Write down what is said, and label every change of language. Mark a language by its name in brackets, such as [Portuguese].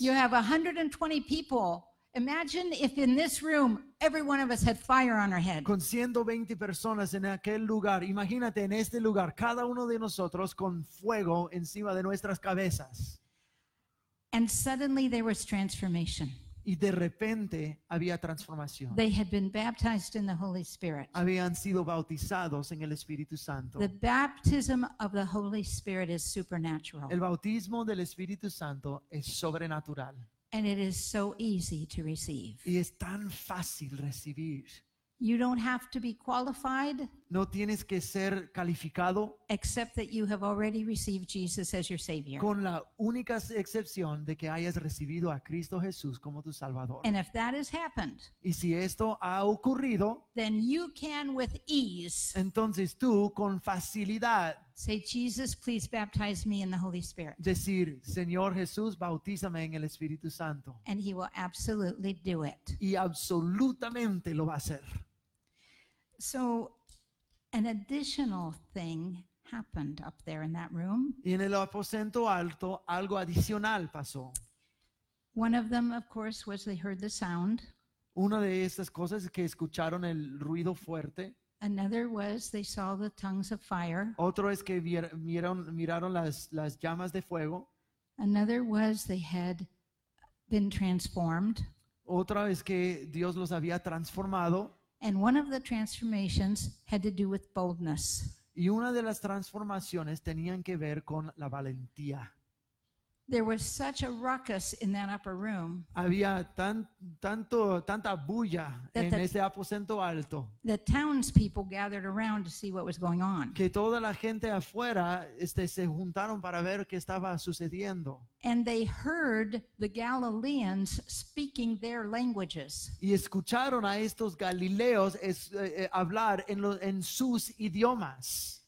[English] You have 120 people. Imagine if in this room every one of us had fire on our head. [Spanish] Con 120 personas en aquel lugar, imagínate en este lugar cada uno de nosotros con fuego encima de nuestras cabezas. [English] And suddenly there was transformation. [Spanish] Y de repente había transformación. [English] They had been baptized in the Holy Spirit. [Spanish] Habían sido bautizados en el Espíritu Santo. [English] The baptism of the Holy Spirit is supernatural. [Spanish] El bautismo del Espíritu Santo es sobrenatural. [English] And it is so easy to receive. [Spanish] Y es tan fácil recibir. [English] You don't have to be qualified. [Spanish] No tienes que ser calificado. [English] Except that you have already received Jesus as your Savior. [Spanish] Con la única excepción de que hayas recibido a Cristo Jesús como tu Salvador. [English] And if that has happened, [Spanish] y si esto ha ocurrido, [English] then you can with ease. [Spanish] Entonces tú con facilidad. [English] Say, Jesus, please baptize me in the Holy Spirit. [Spanish] Decir, Señor Jesús, bautízame en el Espíritu Santo. [English] And he will absolutely do it. [Spanish] Y absolutamente lo va a hacer. [English] So, an additional thing happened up there in that room. [Spanish] Y en el aposento alto, algo adicional pasó. [English] One of them, of course, was they heard the sound. [Spanish] Una de estas cosas es que escucharon el ruido fuerte. [English] Another was they saw the tongues of fire. [Spanish] Otro es que miraron las llamas de fuego. [English] Another was they had been transformed. [Spanish] Otra es que Dios los había transformado. [English] And one of the transformations had to do with boldness. [Spanish] Y una de las transformaciones tenían que ver con la valentía. [English] There was such a ruckus in that upper room. [Spanish] Había tanta bulla en ese aposento alto. [English] The townspeople gathered around to see what was going on. [Spanish] Que toda la gente afuera se juntaron para ver qué estaba sucediendo. [English] And they heard the Galileans speaking their languages. [Spanish] Y escucharon a estos galileos hablar en sus idiomas.